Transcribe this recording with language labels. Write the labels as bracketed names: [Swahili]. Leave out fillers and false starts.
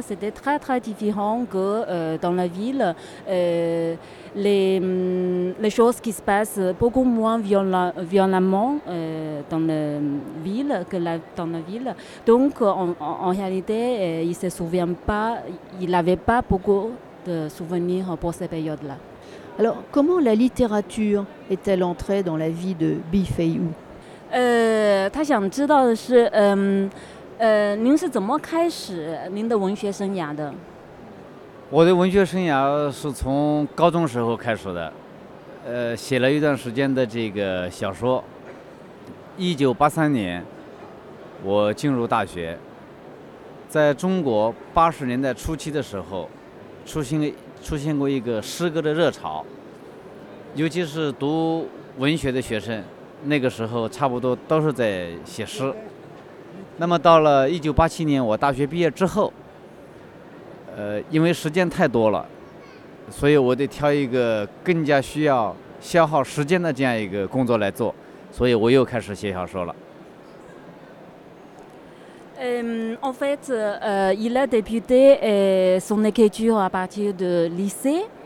[French] C'était très, très différent que dans la ville. Les choses qui se passent beaucoup moins violemment dans la ville que dans la ville. Donc, en réalité, il ne se souvient pas, il n'avait pas beaucoup de souvenirs pour cette période-là. Alors, comment la littérature est-elle entrée dans la vie de Bi Fei Hu ? [Chinese] 他想知道的是，您是怎么开始您的文学生涯的？我的文学生涯是从高中时候开始的，写了一段时间的这个小说。 1983年，我进入大学，在中国80年代初期的时候，出现过一个诗歌的热潮，尤其是读文学的学生，那个时候差不多都是在写诗。那么到了1987年，我大学毕业之后，因为时间太多了，所以我得挑一个更加需要消耗时间的这样一个工作来做，所以我又开始写小说了。 [French] En fait, il a débuté son écriture à partir du lycée.